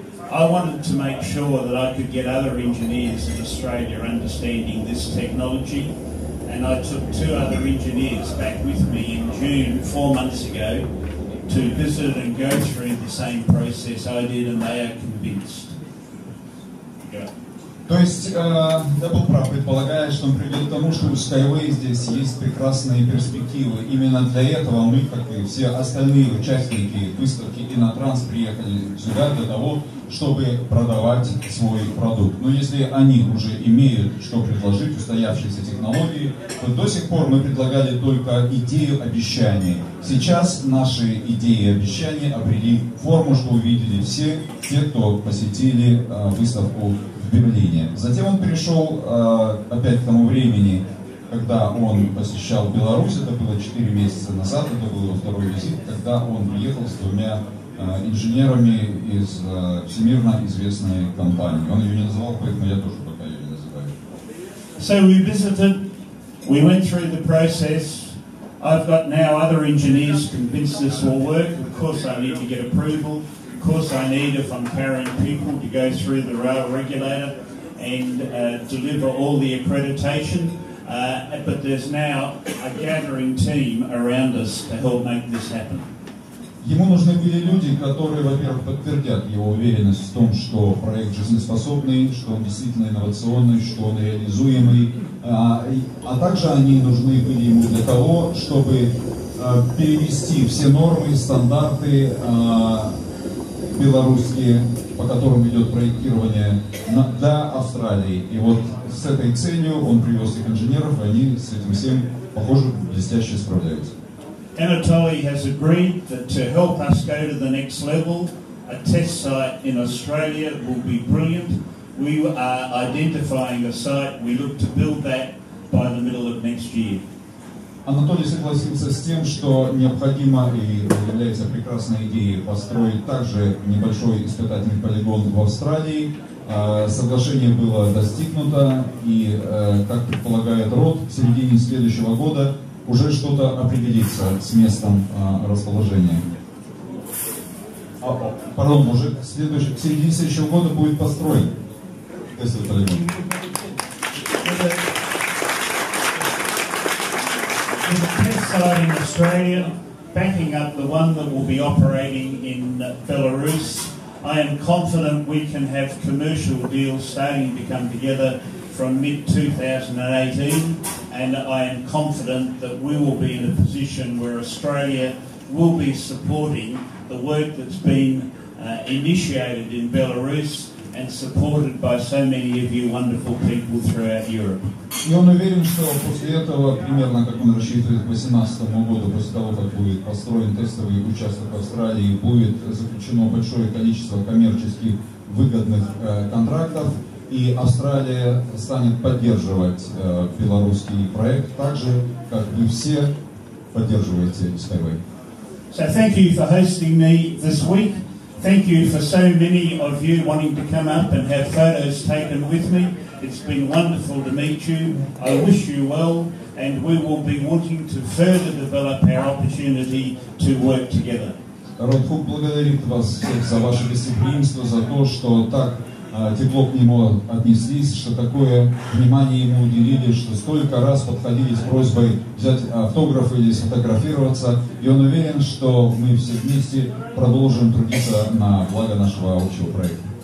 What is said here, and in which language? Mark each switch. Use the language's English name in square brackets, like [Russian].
[English] I wanted to make sure that I could get other engineers in Australia understanding this technology, and I took two other engineers back with me in June, 4 months ago, to visit and go through the same process I did, and they are convinced. [Russian] То есть я был прав, предполагая, что он приведет к тому, что у SkyWay здесь есть прекрасные перспективы. Именно для этого мы, как и все остальные участники выставки Innotrans, приехали сюда для того, чтобы продавать свой продукт. Но если они уже имеют что предложить, устоявшиеся технологии, то до сих пор мы предлагали только идею обещания. Сейчас наши идеи и обещания обрели форму, что увидели все те, кто посетили выставку в Берлине. Затем он перешел опять к тому времени, когда он посещал Беларусь, это было 4 месяца назад, это был его второй визит, когда он приехал с двумя инженерами из всемирно известной компании. Он ее не называл, поэтому я тоже пока ее не называю. [English] So we visited, we went through the process. I've got now other engineers convinced this will work. Of course I need to get approval. Of course I need, if I'm carrying people, to go through the rail regulator and deliver all the accreditation. But there's now a gathering team around us to help make this happen. [Russian] Ему нужны были люди, которые, во-первых, подтвердят его уверенность в том, что проект жизнеспособный, что он действительно инновационный, что он реализуемый. А также они нужны были ему для того, чтобы перевести все нормы, стандарты белорусские, по которым идет проектирование, до Австралии. И вот с этой целью он привез их инженеров, и они с этим всем, похоже, блестяще справляются. [English] Anatoly has agreed that to help us go to the next level, a test site in Australia will be brilliant. We are identifying a site. We look to build that by the middle of next year. [Russian] Anatoly согласился с тем, что необходимо и является прекрасной идеей построить также небольшой испытательный полигон в Австралии. Соглашение было достигнуто, и, как предполагает Рот, в середине следующего года уже что-то определится с местом расположения. Пардон, уже в середине следующего года будет построен тестовый полигон. [English] The test site in Australia, backing up the one that will be operating in Belarus, I am confident we can have commercial deals starting to come together from mid-2018. And I am confident that we will be in a position where Australia will be supporting the work that's been initiated in Belarus and supported by so many of you wonderful people throughout Europe. [Russian] И он уверен, что после этого, примерно как он рассчитывает, к 2018 году, после того, как будет построен тестовый участок Австралии, будет заключено большое количество коммерчески выгодных контрактов, и Австралия станет поддерживать белорусский проект так же, как вы все поддерживаете SkyWay. [English] So thank you for hosting me this week. Thank you for so many of you wanting to come up and have photos taken with me. It's been wonderful to meet you. I wish you well, and we will be wanting to further develop our opportunity to work together. [Russian] Ротхук благодарит вас всех за ваше гостеприимство, за то, что так тепло к нему отнеслись, что такое внимание ему уделили, что столько раз подходили с просьбой взять автограф или сфотографироваться, и он уверен, что мы все вместе продолжим трудиться на благо нашего общего проекта.